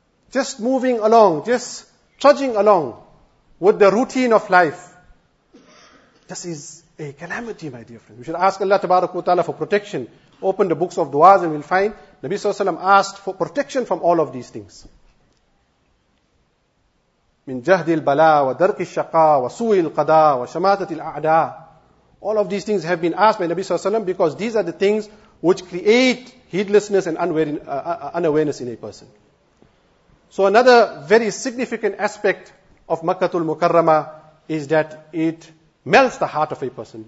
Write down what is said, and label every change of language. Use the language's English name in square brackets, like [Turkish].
[English] Just moving along, just trudging along with the routine of life. This is a calamity, my dear friend. We should ask Allah tabaraka wa ta'ala for protection. Open the books of du'as and we'll find Nabi sallallahu alayhi wa sallam asked for protection from all of these things. [Arabic] من جهد البلاء ودرك الشقاء وسوء القضاء وشماتة الأعداء. [English] All of these things have been asked by Nabi Sallallahu Alaihi Wasallam, because these are the things which create heedlessness and unawareness in a person. So another very significant aspect of Makkatul Mukarramah is that it melts the heart of a person.